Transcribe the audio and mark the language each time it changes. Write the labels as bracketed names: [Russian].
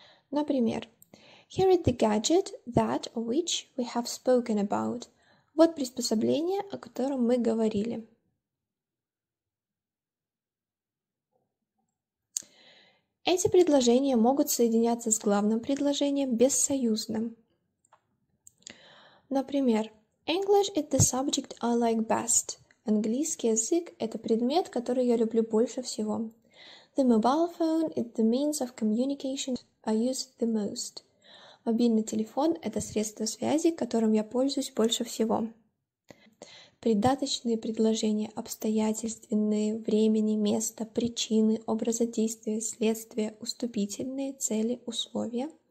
[Russian] Например, [English] here is the gadget that or which we have spoken about. [Russian] Вот приспособление, о котором мы говорили. Эти предложения могут соединяться с главным предложением бессоюзным. Например, [English] English is the subject I like best. [Russian] Английский язык – это предмет, который я люблю больше всего. [English] The mobile phone is the means of communication I use the most. [Russian] Мобильный телефон – это средство связи, которым я пользуюсь больше всего. Придаточные предложения – обстоятельственные, времени, места, причины, образа действия, следствия, уступительные, цели, условия.